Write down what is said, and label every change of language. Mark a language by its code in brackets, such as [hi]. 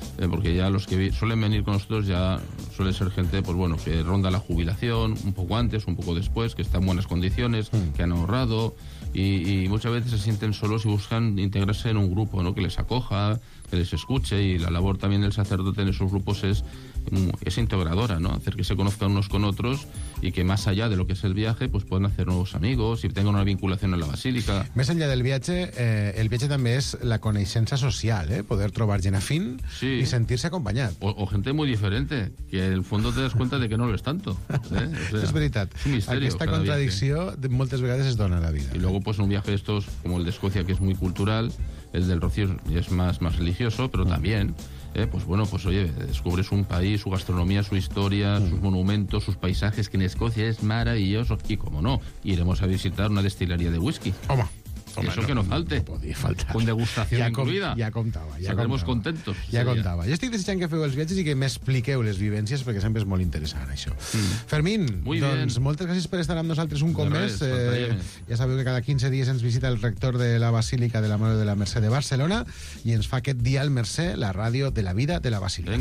[es] Porque ya los que suelen venir con nosotros ya suele ser gente, pues bueno, que ronda la jubilación un poco antes, un poco después, que está en buenas condiciones, que han ahorrado, y muchas veces se sienten solos y buscan integrarse en un grupo, ¿no?, que les acoja, que les escuche, y la labor también del sacerdote en esos grupos es integradora, ¿no?, hacer que se conozcan unos con otros y que más allá de lo que es el viaje, pues puedan hacer nuevos amigos y tengan una vinculación a la Basílica. [ca] Més enllà del viatge, el viatge també és la coneixença social, poder trobar gent afín i sentir-se acompanyat. [es] O gente muy diferente, que en el fondo te das cuenta de que no lo es tanto. O sea, [ca] es veritat. [es] Es un misterio. [ca] Aquesta contradicció moltes vegades es dona a la vida. [es] Y luego, pues, un viaje de estos, como el de Escocia, que es muy cultural, el del Rocío es más religioso, pero también... pues bueno, pues oye, descubres un país, su gastronomía, su historia, sus monumentos, sus paisajes, que en Escocia es maravilloso. Y como no, iremos a visitar una destilería de whisky. Toma. Home, eso que no falte. [ca] No podia faltar. Con degustació incluïda. Ja comptava. [es] Saldremos contentos. [ca] Ja comptava. Jo estic desitjant que feu els viatges i que m'expliqueu les vivències, perquè sempre és molt interessant, això. Fermín, doncs moltes gràcies per estar amb nosaltres un cop més. Ja sabeu que cada 15 dies ens visita el rector de la Basílica de la Mare de la Mercè de Barcelona i ens fa aquest dia al Mercè la ràdio de la vida de la Basílica.